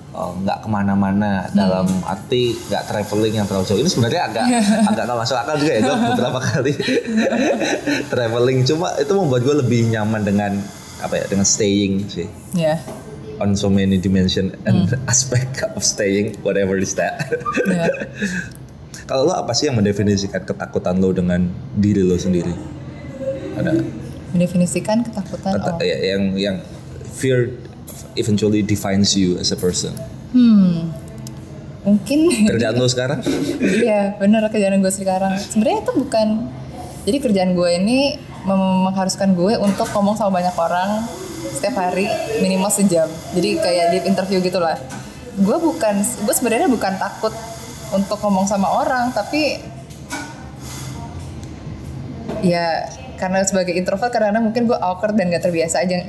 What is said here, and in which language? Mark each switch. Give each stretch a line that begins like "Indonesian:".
Indonesian: nggak kemana-mana dalam arti nggak traveling yang terlalu jauh. Ini sebenarnya agak nggak masuk akal juga ya, gue beberapa kali traveling, cuma itu membuat gue lebih nyaman dengan apa ya, dengan staying sih.
English: Yeah. On so many dimension and aspect of staying, whatever is that. Yeah.
Indonesian: Kalau lo apa sih yang mendefinisikan ketakutan lo dengan diri lo sendiri? Ada. Mendefinisikan ketakutan. Yang
English: fear eventually defines you as a person.
Indonesian: Mungkin. Kerjaan lo sekarang? Iya, benar, kerjaan gue sekarang. Sebenarnya itu bukan. Jadi kerjaan gue ini mengharuskan gue untuk ngomong sama banyak orang setiap hari minimal sejam. Jadi kayak di interview gitulah. Gue sebenarnya bukan takut untuk ngomong sama orang, tapi ya karena sebagai introvert, karena mungkin gue awkward dan gak terbiasa aja.